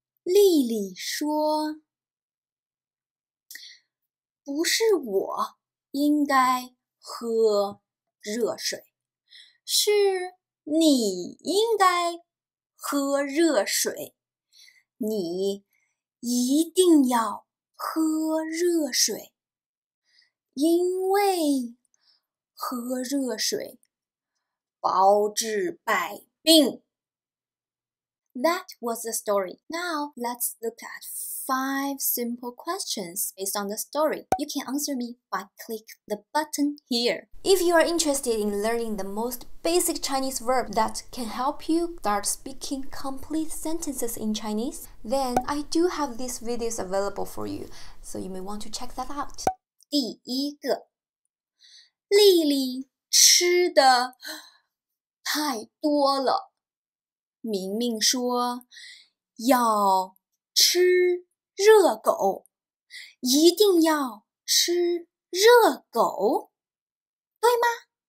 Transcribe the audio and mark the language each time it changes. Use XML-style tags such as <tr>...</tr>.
<zh>丽丽说：“不是我应该喝热水，是你应该喝热水，你一定要喝热水，因为喝热水包治百病。”</zh> <en>That was the story. Now, let's look at 5 simple questions based on the story. You can answer me by click the button here. If you are interested in learning the most basic Chinese verb that can help you start speaking complete sentences in Chinese, then I do have these videos available for you, so you may want to check that out.</en> <zh>第一个，丽丽吃的太多了。明明说要吃热狗，一定要吃热狗，对吗？</zh>